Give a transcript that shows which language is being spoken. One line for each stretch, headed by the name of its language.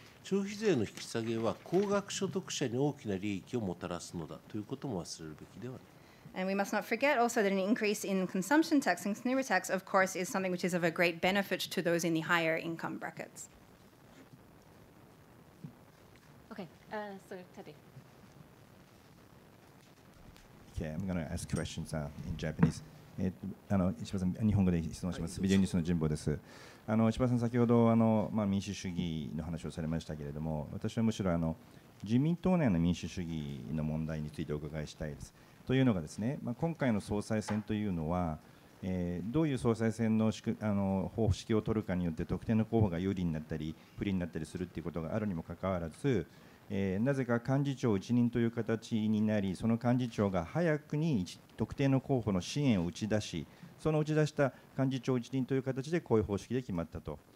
Japanese: 消費税の引き下げは高額所得者に大きな利益をもたらすのだということも忘れるべきではない。
English: And we must not forget also that an increase in consumption tax and consumer tax, of course, is something which is of a great benefit to those in the higher income brackets. Okay, so Teddy. Okay, I'm going to ask questions in Japanese.
Japanese: 石破さん、日本語で質問します。ビデオニュースの神保です。石破さん、先ほど民主主義の話をされましたけれども、私はむしろ自民党内の民主主義の問題についてお伺いしたいです。というのがですね、今回の総裁選というのはどういう総裁選の方式を取るかによって特定の候補が有利になったり不利になったりするということがあるにもかかわらず、なぜか幹事長一任という形になり、その幹事長が早くに特定の候補の支援を打ち出し、その打ち出した幹事長一任という形でこういう方式で決まったと。